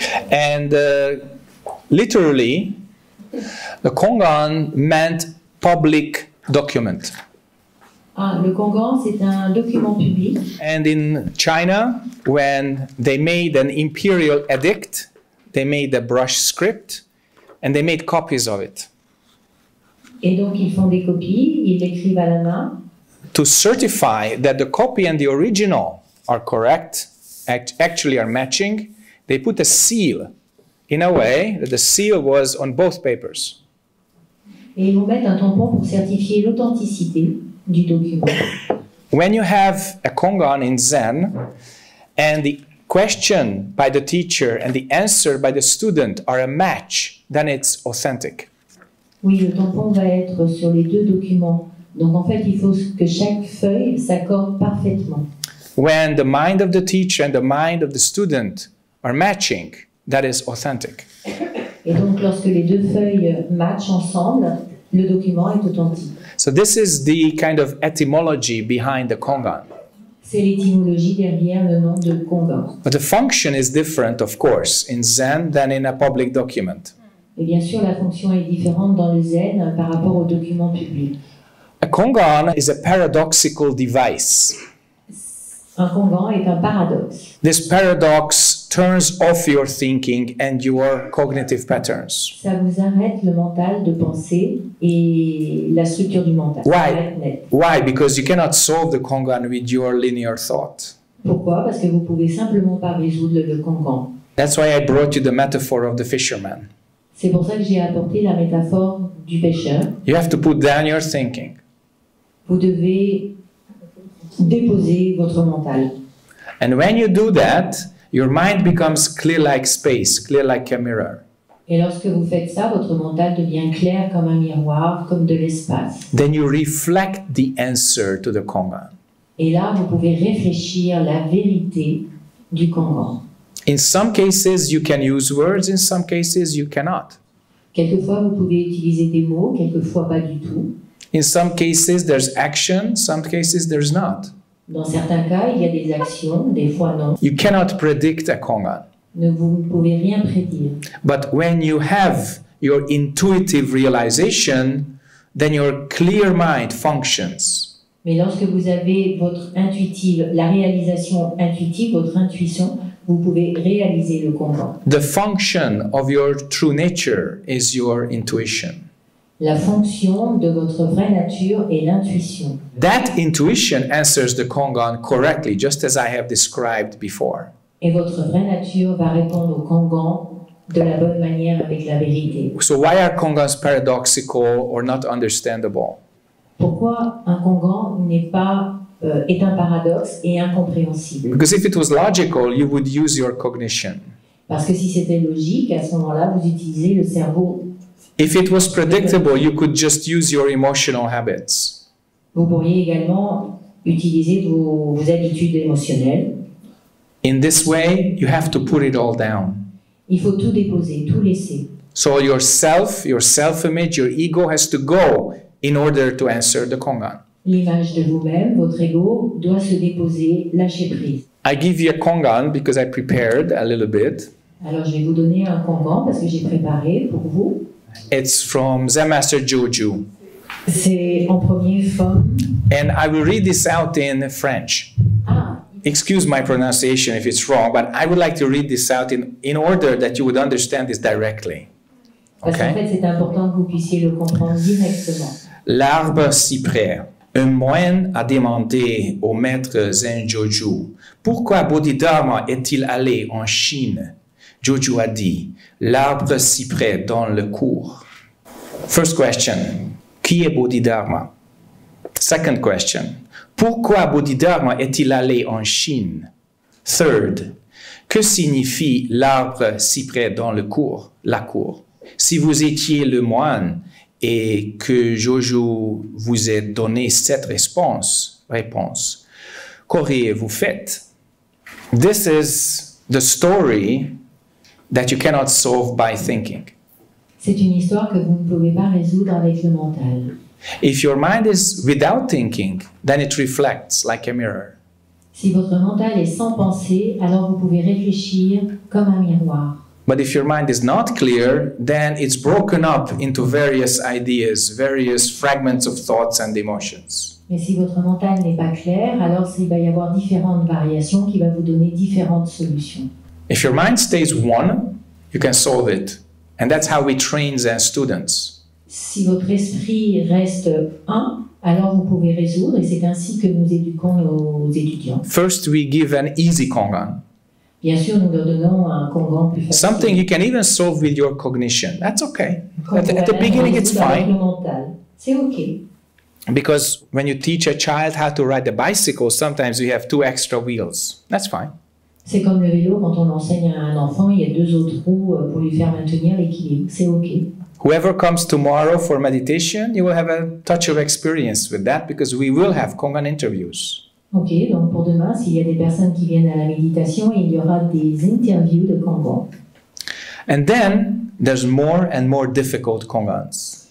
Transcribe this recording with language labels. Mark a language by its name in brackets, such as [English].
[English] And literally, the Kongan meant public document. [French] Le Kongan, c'est un document public. [English] And in China, when they made an imperial edict, they made a brush script, and they made copies of it. [French] Et donc ils font des copies, ils l'écrivent à la main. [English] To certify that the copy and the original are correct, actually are matching, they put a seal in a way that the seal was on both papers. [French] Et ils vont mettre un tampon pour certifier l'authenticité du document. [English] When you have a Kongan in Zen, and the question by the teacher and the answer by the student are a match, then it's authentic. [French] Oui, le tampon va être sur les deux documents. Donc en fait, il faut que chaque feuille s'accorde parfaitement. [English] When the mind of the teacher and the mind of the student are matching, that is authentic. [French] Et donc lorsque les deux feuilles matchent ensemble, le document est authentique. [English] So this is the kind of etymology behind the Kongan. [French] C'est l'étymologie derrière le nom de Kongan. [English] But the function is different, of course, in Zen than in a public document. [French] Et bien sûr, la fonction est différente dans le Zen par rapport au document public. [English] A Kongan is a paradoxical device. [French] Un Kongan est un paradoxe. [English] This paradox turns off your thinking and your cognitive patterns. [French] Ça vous arrête le mental de penser et la structure du mental. [English] Why? Why? Because you cannot solve the Kongan with your linear thought. [French] Pourquoi? Parce que vous ne pouvez simplement pas résoudre le Kongan. [English] That's why I brought you the metaphor of the fisherman. [French] C'est pour ça que j'ai apporté la métaphore du pêcheur. [English] You have to put down your thinking. [French] Vous devez déposer votre mental. [English] And when you do that, your mind becomes clear like space, clear like a mirror. [French] Et lorsque vous faites ça, votre mental devient clair comme un miroir, comme de l'espace. [English] Then you reflect the answer to the Kongan. [French] Et là, vous pouvez réfléchir la vérité du Coran. [English] In some cases, you can use words. In some cases, you cannot. [French] Quelquefois, vous pouvez utiliser des mots. Quelquefois, pas du tout. [English] In some cases, there's action. Some cases, there's not. [French] Dans certains cas, il y a des actions. Des fois, non. [English] You cannot predict a Coran. [French] Vous ne pouvez rien prédire. [English] But when you have your intuitive realization, then your clear mind functions. [French] Mais lorsque vous avez votre intuitive, la réalisation intuitive, votre intuition, vous pouvez réaliser le Coran. [English] The function of your true nature is your intuition. [French] La fonction de votre vraie nature est l'intuition. [English] That intuition answers the Kongan correctly, just as I have described before. [French] Et votre vraie nature va répondre au Kongan de la bonne manière avec la vérité. [English] So why are Kongans paradoxical or not understandable? [French] Pourquoi un Kongan n'est pas est un paradoxe et incompréhensible? [English] Because if it was logical, you would use your cognition. [French] Parce que si c'était logique, à ce moment-là, vous utilisez le cerveau. [English] If it was predictable, you could just use your emotional habits. [French] Vous pourriez également utiliser vos habitudes émotionnelles. [English] In this way, you have to put it all down. [French] Il faut tout déposer, tout laisser. [English] So your self-image, your ego has to go in order to answer the Kongan. [French] L'image de vous-même, votre ego, doit se déposer, lâcher prise. [English] I give you a Kongan because I prepared a little bit. [French] Alors je vais vous donner un Kongan parce que j'ai préparé pour vous. [English] It's from Zen Master Juju. [French] C'est en première forme. [English] And I will read this out in French. Ah. Excuse my pronunciation if it's wrong, but I would like to read this out in order that you would understand this directly. Okay? [French] Parce qu'en fait, c'est important que vous puissiez le comprendre directement. L'arbre cyprès. Un moine a demandé au maître Zen Juju, pourquoi Bodhidharma est-il allé en Chine? Juju a dit, l'arbre cyprès dans le cours. [English] First question, [French] qui est Bodhidharma? [English] Second question, [French] pourquoi Bodhidharma est-il allé en Chine? [English] Third, [French] que signifie l'arbre cyprès dans le cours, la cour? Si vous étiez le moine et que Juju vous ait donné cette réponse, qu'auriez-vous fait? [English] This is the story that you cannot solve by thinking. [French] C'est une histoire que vous ne pouvez pas résoudre avec le mental. [English] If your mind is without thinking, then it reflects like a mirror. [French] Si votre mental est sans pensée, alors vous pouvez réfléchir comme un miroir. [English] But if your mind is not clear, then it's broken up into various ideas, various fragments of thoughts and emotions. [French] Mais si votre mental n'est pas clair, alors il va y avoir différentes variations qui vont vous donner différentes solutions. [English] If your mind stays one, you can solve it. And that's how we train Zen students. [French] Si votre esprit reste un, alors vous pouvez résoudre, et c'est ainsi que nous éduquons nos étudiants. [English] First, we give an easy Kongan. [French] Bien sûr, nous leur donnons un Kongan plus facile. [English] Something you can even solve with your cognition. That's okay. At the beginning, it's fine. [French] C'est okay. [English] Because when you teach a child how to ride a bicycle, sometimes you have two extra wheels. That's fine. [French] C'est comme le vélo, quand on enseigne à un enfant, il y a deux autres roues pour lui faire maintenir l'équilibre. C'est OK. [English] Whoever comes tomorrow for meditation, you will have a touch of experience with that because we will have Kongan interviews. [French] OK, donc pour demain, s'il y a des personnes qui viennent à la méditation, il y aura des interviews de Kongan. [English] And then, there's more and more difficult Kongans.